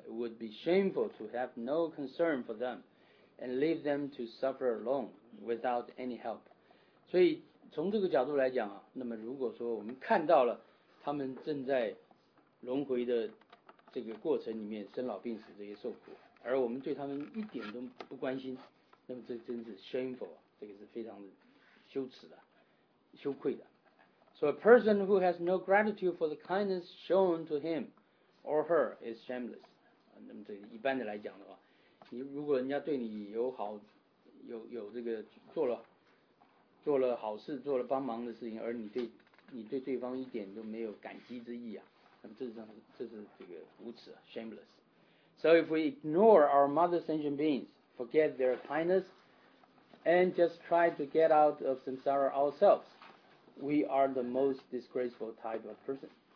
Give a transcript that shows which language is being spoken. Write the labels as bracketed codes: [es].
[en] It would be shameful to have no concern for them and leave them to suffer alone without any help。 [zh] 所以从这个角度来讲、啊、那么如果说我们看到了他们正在轮回的这个过程里面生老病死这些受苦，而我们对他们一点都不关心，那么这真是 shameful，这个是非常的羞耻的、羞愧的。 [en] So a person who has no gratitude for the kindness shown to him or her is shameless. [zh] 那么这一般的来讲的话，你如果人家对你有好、有这个做了好事、做了帮忙的事情，而你对对方一点都没有感激之意啊，那么这是这个无耻、shameless. [en] So if we ignore our mother sentient beings, forget their kindness. And just try to get out of samsara ourselves. We are the most disgraceful type of person.